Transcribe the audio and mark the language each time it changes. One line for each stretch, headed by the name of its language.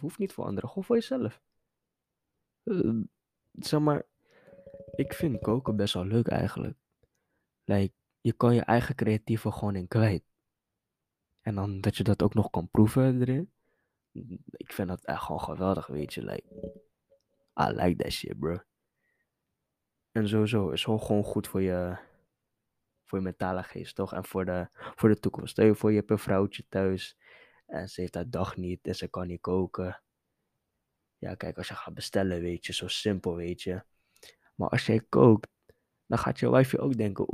Dutch: Hoeft niet voor anderen. Gewoon voor jezelf. Zeg maar, ik vind koken best wel leuk eigenlijk. Like, je kan je eigen creatieve gewoon in kwijt. En dan dat je dat ook nog kan proeven erin. Ik vind dat echt gewoon geweldig, weet je.
English: Like, I like that shit, bro.
Dutch: En sowieso is het gewoon goed voor je mentale geest, toch? En voor de toekomst. Stel je voor, je hebt een vrouwtje thuis. En ze heeft haar dag niet. En ze kan niet koken. Ja, kijk, als je gaat bestellen, weet je. Zo simpel, weet je. Maar als jij kookt, dan gaat je wifi ook denken.